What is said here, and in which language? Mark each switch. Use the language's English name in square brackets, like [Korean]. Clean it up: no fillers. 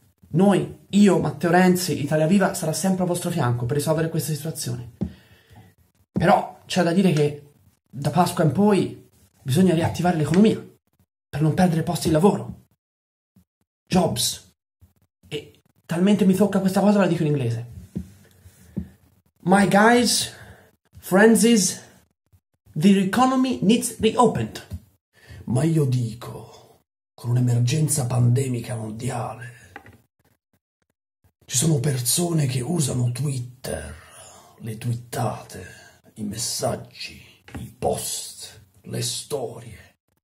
[Italian] Noi, io, Matteo Renzi, Italia Viva, sarà sempre a vostro fianco per risolvere questa situazione. Però c'è da dire che da Pasqua in poi bisogna riattivare l'economia per non perdere posti di lavoro. Jobs. E talmente mi tocca questa cosa, la dico in inglese. [English] My guys, Frenzies. The economy needs reopened. [Italian] Ma io dico, con un'emergenza pandemica mondiale, ci sono persone che usano Twitter, le twittate, i messaggi, i post, le storie.